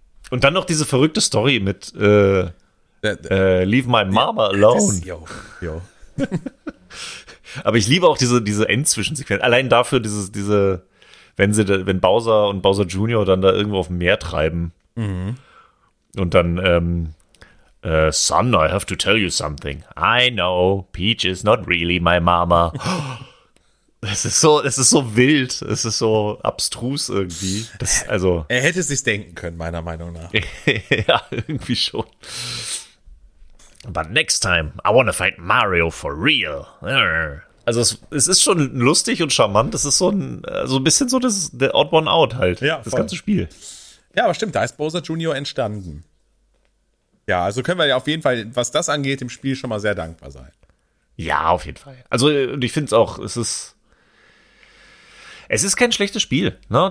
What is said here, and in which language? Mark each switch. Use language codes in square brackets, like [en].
[de] Und dann noch diese verrückte Story mit Leave My Mama Alone. Yo. Aber ich liebe auch diese Endzwischensequenz. Allein dafür diese, wenn Bowser und Bowser Jr. dann da irgendwo auf dem Meer treiben. Mhm. [en] Und dann, Son, I have to tell you something. I know, Peach is not really my mama. [de] Es ist so wild. Es ist so abstrus irgendwie. Also, er hätte es sich denken können, meiner Meinung nach. Ja, irgendwie schon. [en] But next time, I want to fight Mario for real. [de] Also es ist schon lustig und charmant. Es ist so ein bisschen so das The Odd One Out halt, ja, das ganze Spiel. Ja, aber stimmt, da ist Bowser Jr. entstanden. Ja, also können wir ja auf jeden Fall, was das angeht, dem Spiel schon mal sehr dankbar sein. Ja, auf jeden Fall. Also ich finde es auch, es ist kein schlechtes Spiel. Ne?